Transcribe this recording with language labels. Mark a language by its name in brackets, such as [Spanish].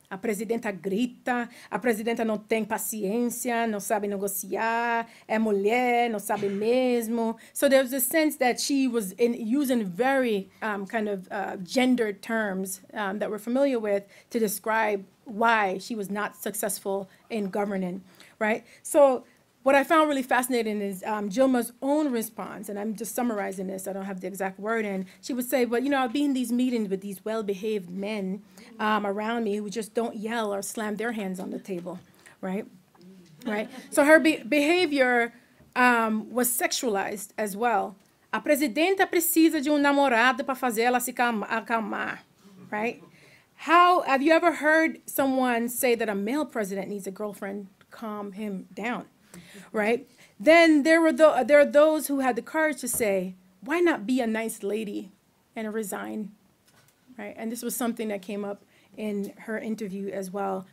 [Portuguese] A presidenta grita, a presidenta não tem paciência, não sabe negociar, é mulher, não sabe mesmo. [English] So there was a sense that she was in, using very kind of gendered terms that we're familiar with to describe why she was not successful in governing, right? So what I found really fascinating is Dilma's own response, and I'm just summarizing this, I don't have the exact word in. She would say, well, you know, I'll be in these meetings with these well-behaved men around me who just don't yell or slam their hands on the table, right? Right. So her behavior was sexualized as well. [Portuguese] A presidenta precisa de namorado para fazer ela se acalmar, right? [English] How, have you ever heard someone say that a male president needs a girlfriend to calm him down? Right? Then there are those who had the courage to say, why not be a nice lady and resign? Right? And this was something that came up in her interview as well.